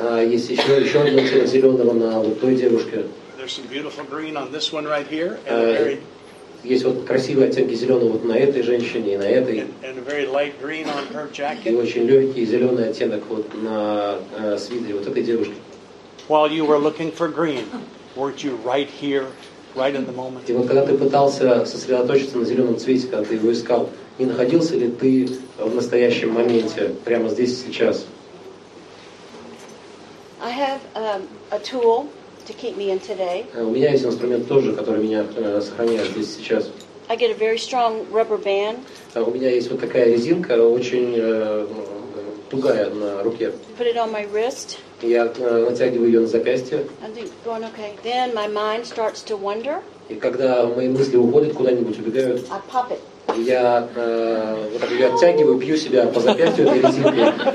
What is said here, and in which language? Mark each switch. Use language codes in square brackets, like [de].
[ru] Есть еще один оттенок зеленого на вот той девушке. [en] There's some beautiful green on this one right here, and [ru] Есть вот красивые оттенки зеленого вот на этой женщине и на этой. [en] And a very light green on her jacket. [ru] И очень легкий зеленый оттенок вот на свитере вот этой девушки. [en] While you were looking for green, weren't you right here, right in the moment? [ru] И вот когда ты пытался сосредоточиться на зеленом цвете, когда ты его искал, не находился ли ты в настоящем моменте, прямо здесь и сейчас? [en] I have a tool to keep me in today. [ru] У меня есть инструмент тоже, который меня сохраняет здесь сейчас. [en] I get a very strong rubber band. [ru] У меня есть вот такая резинка, очень тугая на руке. [en] Put it on my wrist. [ru] Я натягиваю ее на запястье. [en] And think, going okay. Then my mind starts to wander. [ru] И когда мои мысли уходят куда-нибудь, убегают. [en] I pop it. [ru] Я оттягиваю, бью себя по запястью этой резинкой.